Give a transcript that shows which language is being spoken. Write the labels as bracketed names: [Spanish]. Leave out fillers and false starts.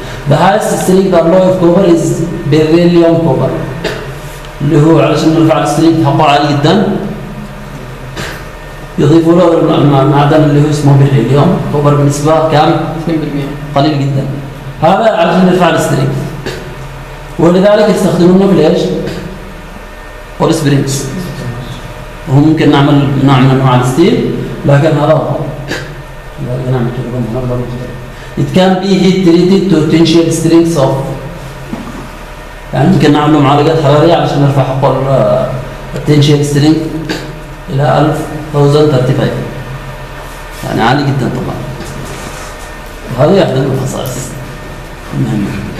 [English] The highest strength alloy of copper is beryllium copper. [Arabic] اللي هو علشان نرفع strength حقه عالي جدا يضيفوا له المعدن اللي هو اسمه beryllium. كوبر بالنسبة كم؟ 2% قليل جدا. هذا علشان نرفع strength. ولذلك يستخدمونه في ايش؟ اول سبرينجز. هو ممكن نعمل نوع من انواع الستيل لكن هذا افضل. لذلك نعمل تجربه هنا برضه. [English] It can be heat treated to tensile strength of. [Arabic] يعني ممكن نعمل معالجات حراريه علشان نرفع حقه التنشيل سترينث الى 1035. يعني عالي جدا طبعا. وهذه احد الخصائص المهمه.